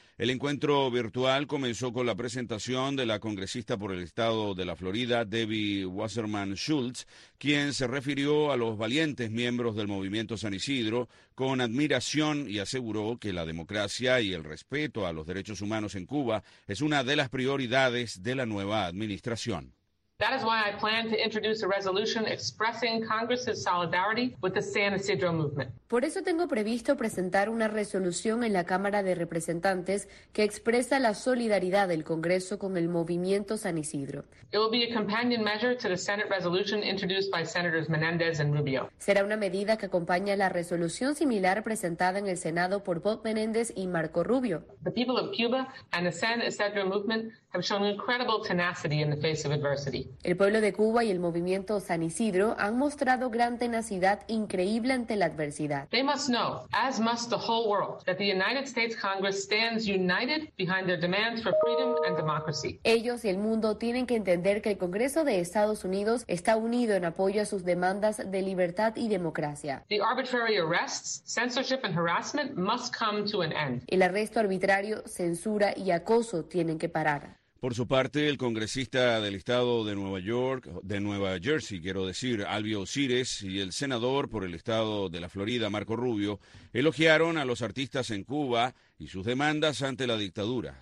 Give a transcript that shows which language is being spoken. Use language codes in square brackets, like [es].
[es] El encuentro virtual comenzó con la presentación de la congresista por el estado de la Florida, Debbie Wasserman Schultz, quien se refirió a los valientes miembros del movimiento San Isidro con admiración y aseguró que la democracia y el respeto a los derechos humanos en Cuba es una de las prioridades de la nueva administración. [en] That is why I plan to introduce a resolution expressing Congress's solidarity with the San Isidro movement. [es] Por eso tengo previsto presentar una resolución en la Cámara de Representantes que expresa la solidaridad del Congreso con el movimiento San Isidro. [en] It will be a companion measure to the Senate resolution introduced by Senators Menendez and Rubio. [es] Será una medida que acompaña la resolución similar presentada en el Senado por Bob Menéndez y Marco Rubio. [en] The people of Cuba and the San Isidro movement have shown incredible tenacity in the face of adversity. [es] El pueblo de Cuba y el movimiento San Isidro han mostrado gran tenacidad increíble ante la adversidad. [en] They must know, as must the whole world, that the United States Congress stands united behind their demands for freedom and democracy. [es] Ellos y el mundo tienen que entender que el Congreso de Estados Unidos está unido en apoyo a sus demandas de libertad y democracia. [en] The arbitrary arrests, censorship and harassment must come to an end. [es] El arresto arbitrario, censura y acoso tienen que parar. Por su parte, el congresista del estado de Nueva Jersey, Alvio Cires, y el senador por el estado de la Florida, Marco Rubio, elogiaron a los artistas en Cuba y sus demandas ante la dictadura.